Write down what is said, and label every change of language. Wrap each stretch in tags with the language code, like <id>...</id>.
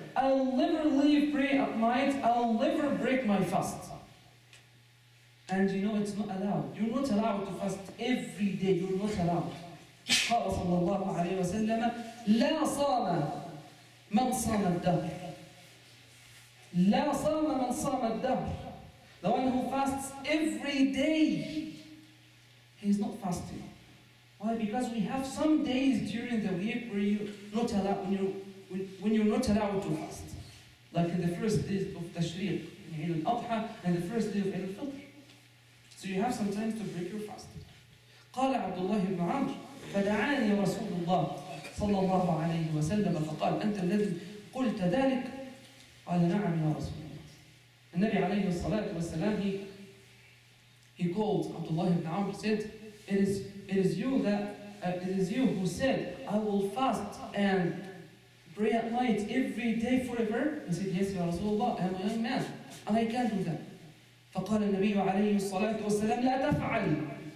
<en>I'll never leave pray at night. I'll never break my fast. And you know it's not allowed. You're not allowed to fast every day. You're not allowed.</en> <ar>قال صلى الله عليه وسلم لا صام من صام الدهر. لا صام من صام الدهر.</ar> <en>The one who fasts every day, he's not fasting. Why? Because we have some days during the week where you're not allowed, when you're not allowed to fast. Like in the first day of Tashriq, in Eid al-Adha, and the first day of Eid al-Fitr. So you have some time to break your fast.</en> <ar>قال عبد الله بن عمرو فدعاني رسول الله صلى الله عليه وسلم فقال أنت الذي قلت ذلك؟ قال نعم يا رسول الله. النبي عليه الصلاة والسلام,</ar> <en>he called</en> <ar>عبد الله بن عمرو</ar> <en>said, it is you who said, I will fast and pray at night every day forever. He said, yes, Ya Rasulullah, I am a young man. And I can't do that.</en> <ar>فقال النبي عليه الصلاة والسلام, لا تفعل.</ar>